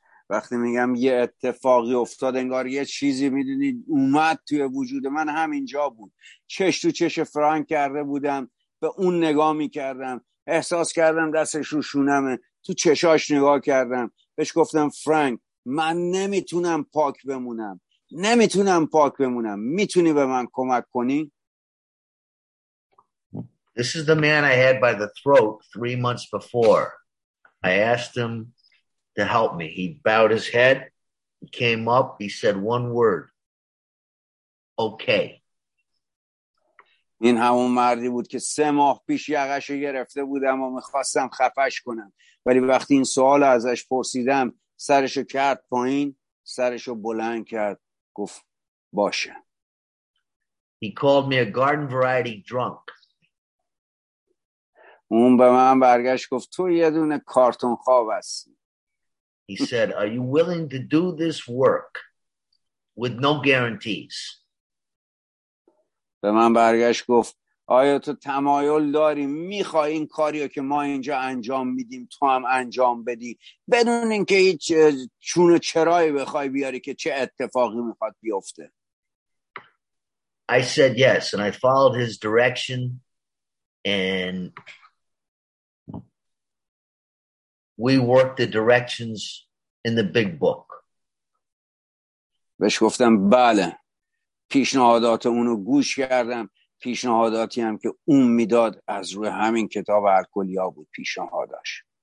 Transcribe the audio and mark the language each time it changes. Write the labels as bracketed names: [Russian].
[Persian] وقتی میگم یه اتفاقی افتاد، انگار یه چیزی میدونید اومد توی وجود من، همینجا بود، چش تو چش فرانک کرده بودم، به اون نگاه میکردم، احساس کردم دستش رو شونمه، تو چشاش نگاه کردم، بهش گفتم فرانک من نمیتونم پاک بمونم، نمیتونم پاک بمونم، میتونی به من کمک کنی؟ [English] This is the man I had by the throat 3 months before. I asked him to help me. He bowed his head. He came up. He said one word. Okay. [Persian] این همون مردی بود که 3 ماه پیش یقش گرفته بودم و میخواستم خفش کنم. ولی وقتی این سوال ازش پرسیدم، سرشو کرد پایین، سرشو بلند کرد، گفت باشه. [English] He called me a garden variety drunk. [Persian] اون به من برگشت گفت تو یه دونه کارتون خواب هستی. [English] He said, are you willing to do this work with no guarantees? [Persian] به من برگشت گفت آیا تو تمایل داری میخوای این کاریو که ما اینجا انجام میدیم تو هم انجام بدی بدون اینکه هیچ چون و چرایی بخوای بیاری که چه اتفاقی میخواد بیفته. [English] I said yes and I followed his direction and we work the directions in the big book. [Persian] بهش گفتم بله. پیشنهادات اونو گوش کردم. پیشنهاداتی هم که اون میداد از روی همین کتاب الکلیا بود پیشنهاداش.